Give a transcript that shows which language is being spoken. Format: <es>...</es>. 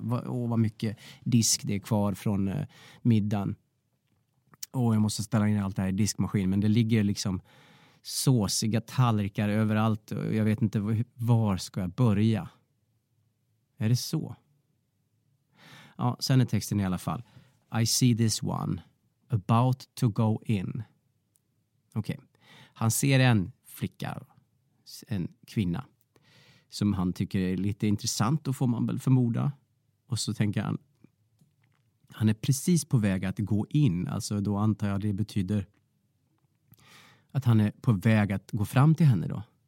<sv>Vad mycket disk det är kvar från middagen. Och jag måste ställa in allt det här i diskmaskinen. Men det ligger liksom såsiga tallrikar överallt. Och jag vet inte, var ska jag börja? Är det så? Ja, sen är texten i alla fall.</sv> <en>I see this one about to go in.</en> <sv>Okej.</sv> <en>Okay.</en> <sv>Han ser en flicka. En kvinna som han tycker är lite intressant, då får man väl förmoda. Och så tänker han är precis på väg att gå in, alltså då antar jag det betyder att han är på väg att gå fram till henne då.</sv>